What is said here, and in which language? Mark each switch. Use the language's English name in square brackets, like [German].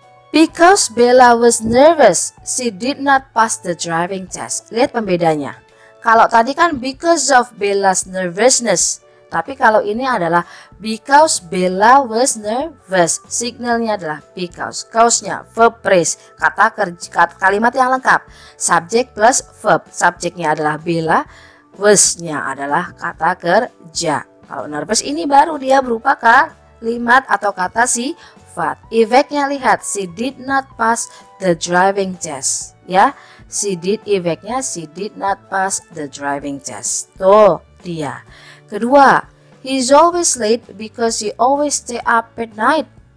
[English] Because Bella was nervous, she did not pass the driving test. [Indonesian] Lihat pembedanya. Kalau tadi kan [English] because of Bella's nervousness. [Indonesian] Tapi kalau ini adalah [English] because Bella was nervous. [Indonesian] Signalnya adalah because. Cause-nya verb phrase. Kata kerja, kalimat yang lengkap. Subject plus verb. Subjectnya adalah Bella. Was-nya adalah kata kerja. Kalau nervous ini baru dia berupa kalimat atau kata sifat. Effect-nya lihat, [English] she did not pass the driving test. Ya, she did, effect-nya she did not pass the driving test. [Indonesian] Tuh, dia. Kedua, [English] he's always late because he always stay up at night.